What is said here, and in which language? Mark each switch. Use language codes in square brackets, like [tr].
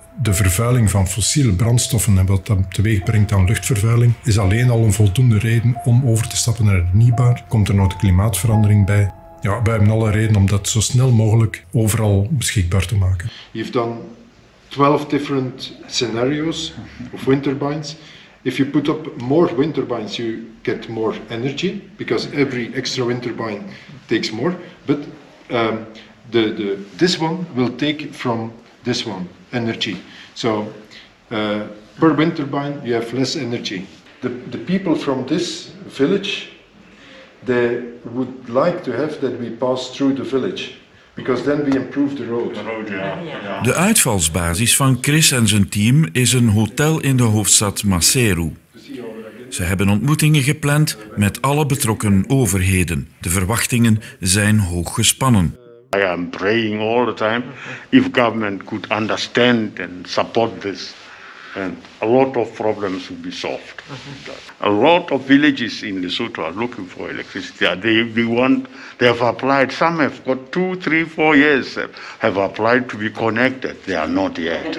[nl] De vervuiling van fossiele brandstoffen en wat dat teweeg brengt aan luchtvervuiling is alleen al een voldoende reden om over te stappen naar hernieuwbaar. Komt er nog de klimaatverandering bij? Ja, wij hebben alle reden om dat zo snel mogelijk overal beschikbaar te maken. Je hebt dan [en] 12 different scenarios of wind turbines. If you put up more wind turbines, you get more energy, because every extra wind turbine takes more. But this one will take from this one energy. So per wind turbine, you have less energy. The people from this village, they would like to have that we pass through the village. Because then we improve the road. [nl] De uitvalsbasis van Chris en zijn team is een hotel in de hoofdstad Maseru. Ze hebben ontmoetingen gepland met alle betrokken overheden. De verwachtingen zijn hoog gespannen. [en] I am praying all the time if government could understand and support this, and a lot of problems would be solved. A lot of villages in Lesotho are looking for electricity. They have applied. Some have got 2, 3, 4 years have applied to be connected. They are not yet.